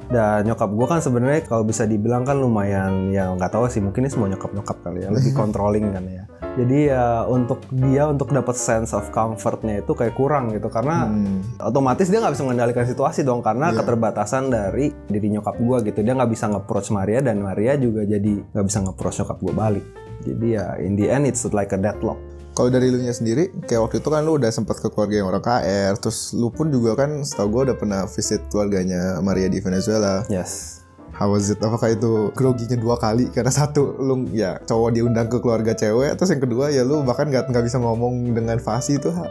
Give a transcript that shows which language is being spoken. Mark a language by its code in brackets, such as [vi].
[id] Dan nyokap gue kan sebenarnya kalau bisa dibilang kan lumayan, ya nggak tahu sih, mungkin ini semua nyokap-nyokap kali ya, lebih controlling kan ya. Jadi ya untuk dia untuk dapat sense of comfortnya itu kayak kurang gitu. Karena otomatis dia nggak bisa mengendalikan situasi dong. Karena keterbatasan dari diri nyokap gue gitu. Dia nggak bisa nge-approach Maria dan Maria juga jadi nggak bisa nge-approach nyokap gue balik. Jadi ya [en] in the end it's like a deadlock. [id] Kalau dari lu nya sendiri, kayak waktu itu kan lu udah sempat ke keluarga yang orang KR. Terus lu pun juga kan setahu gue udah pernah visit keluarganya Maria di Venezuela. [en] Yes. How was it? [id] Apakah itu groginya dua kali? Karena satu, lu ya cowok diundang ke keluarga cewek. Terus yang kedua, ya lu bahkan gak bisa ngomong dengan fasih itu.